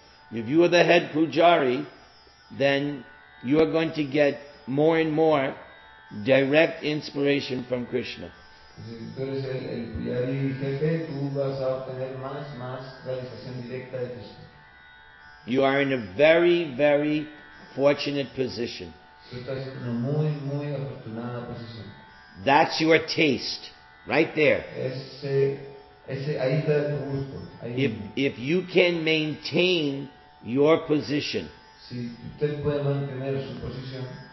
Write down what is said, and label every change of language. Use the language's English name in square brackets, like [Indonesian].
[English] If you are the head pujari, then you are going to get more and more direct inspiration from Krishna. [Spanish] Si tú eres el pujari jefe, tú vas a obtener más realización directa de Krishna. [English] You are in a very, very fortunate position. [Spanish] Tú estás en una muy, muy afortunada posición. [English] That's your taste. Right there. If you can maintain your position, [Spanish] si usted puede mantener su posición,